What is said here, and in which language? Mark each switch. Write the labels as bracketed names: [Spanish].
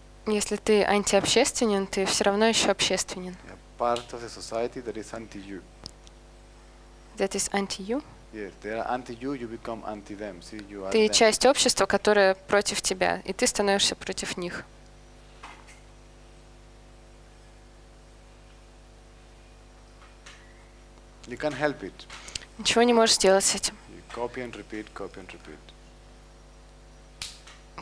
[Russian] Если ты антиобщественен, ты все равно еще общественен. [English] You're part of the society that is anti you. That is anti you? Yes, they are anti you, you become anti them. See, you are [Russian] ты [English] them. [Russian] Часть общества, которое против тебя, и ты становишься против них. [English] You can't help it. [Russian] Ничего не можешь сделать с этим. [English] Copy and repeat, copy and repeat.